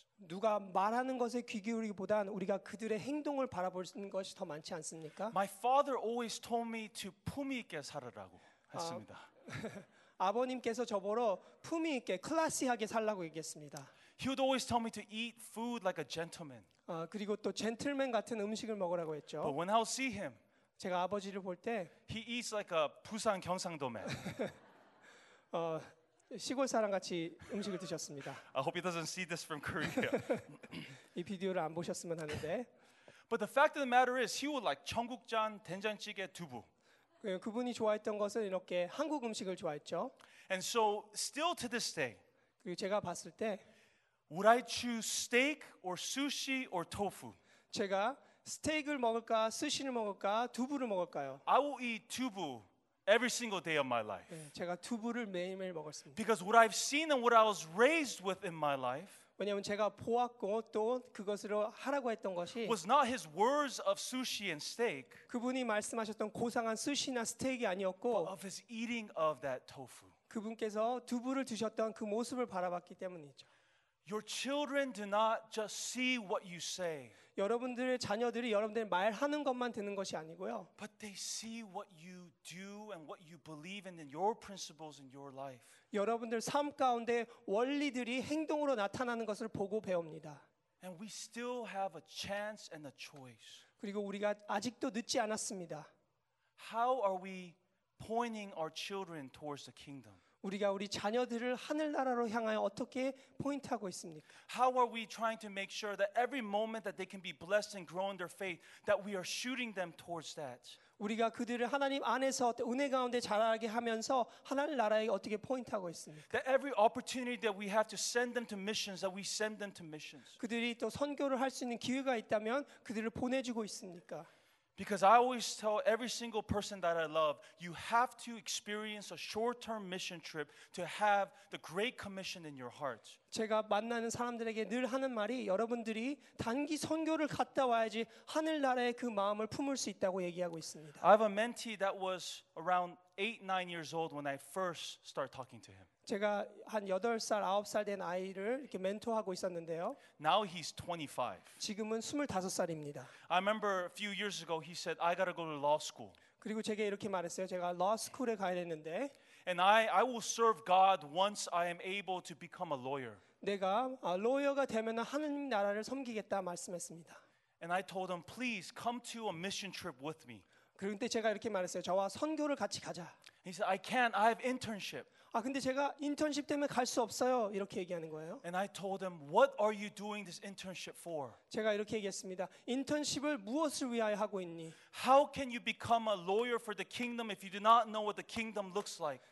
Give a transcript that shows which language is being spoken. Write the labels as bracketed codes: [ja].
[ko] 누가 말하는 것에 귀 기울이기보단 우리가 그들의 행동을 바라보는 것이 더 많지 않습니까? [en] My father always told me to [ko] 품위 있게 살아라고 했습니다. 아버님께서 저보러 품위 있게 클래시하게 살라고 얘기했습니다. [en] He would always tell me to eat food like a gentleman. [ko] 그리고 또 젠틀맨 같은 음식을 먹으라고 했죠. [en] But when I would see him [ko] 제가 아버지를 볼 때 [en] he eats like a 부산 경상도 man. [ko] 시골 사람 같이 음식을 드셨습니다. [en] I hope he doesn't see this from Korea. [ko] 이 비디오를 안 보셨으면 하는데. [en] But the fact of the matter is he would like 청국장, 된장찌개, 두부. [ko] 그분이 좋아했던 것은 이렇게 한국 음식을 좋아했죠. [en] And so still to this day. [ko] 그리고 제가 봤을 때 [en] would I choose steak or sushi or tofu? [ko] 제가 스테이크를 먹을까, 스시를 먹을까, 두부를 먹을까요? [en] I will eat 두부 every single day of my life. [ko] 제가 두부를 매일매일 먹었습니다. [en] Because what I've seen and what I was raised with in my life [ko] 왜냐하면 제가 보았고 또 그것으로 하라고 했던 것이 [en] was not his words of sushi and steak [ko] 그분이 말씀하셨던 고상한 스시나 스테이크 아니었고 [en] but of his eating of that tofu. [ko] 그분께서 두부를 드셨던 그 모습을 바라봤기 때문이죠. [en] Your children do not just see what you say. [ko] 여러분들의 자녀들이 여러분들 말하는 것만 듣는 것이 아니고요. [en] But they see what you do and what you believe in your principles in your life. [ko] 여러분들 삶 가운데 원리들이 행동으로 나타나는 것을 보고 배웁니다. [en] And we still have a chance and a choice. [ko] 그리고 우리가 아직도 늦지 않았습니다. [en] How are we pointing our children towards the kingdom? [ko] 우리가 우리 자녀들을 하늘나라로 향하여 어떻게 포인트하고 있습니까? [en] How are we trying to make sure that every moment that they can be blessed and grow in their faith that we are shooting them towards that? [ko] 우리가 그들을 하나님 안에서 은혜 가운데 자라게 하면서 하늘나라에 어떻게 포인트하고 있습니까? [en] That every opportunity that we have to send them to missions that we send them to missions. [ko] 그들이 또 선교를 할 수 있는 기회가 있다면 그들을 보내주고 있습니까? [en] Because I always tell every single person that I love, you have to experience a short-term mission trip to have the Great Commission in your heart. [ko] 제가 만나는 사람들에게 늘 하는 말이 여러분들이 단기 선교를 갔다 와야지 하늘나라의 그 마음을 품을 수 있다고 얘기하고 있습니다. [en] I have a mentee that was around 8-9 years old when I first started talking to him. [ko] 제가 한 8살, 9살 된 아이를 이렇게 멘토하고 있었는데요. [en] Now he's 25. [ko] 지금은 25살입니다. [en] I remember a few years ago he said I got to go to law school. [ko] 그리고 제게 이렇게 말했어요. 제가 law school에 가야 되는데 [en] And I will serve God once I am able to become a lawyer. [ko] 내가 로이어가 되면 하나님 나라를 섬기겠다 말씀했습니다. [en] And I told him please come to a mission trip with me. [ko] 그런데 제가 이렇게 말했어요. 저와 선교를 같이 가자. [en] He said I can't. I have internship. [ko] 아 근데 제가 인턴십 때문에 갈 수 없어요. 이렇게 얘기하는 거예요. [en] And I told him, "What are you doing this internship for?" [ko] 제가 이렇게 얘기했습니다. 인턴십을 무엇을 위하여 하고 있니? [en] How can you become a lawyer for the kingdom if you do not know what the kingdom looks like?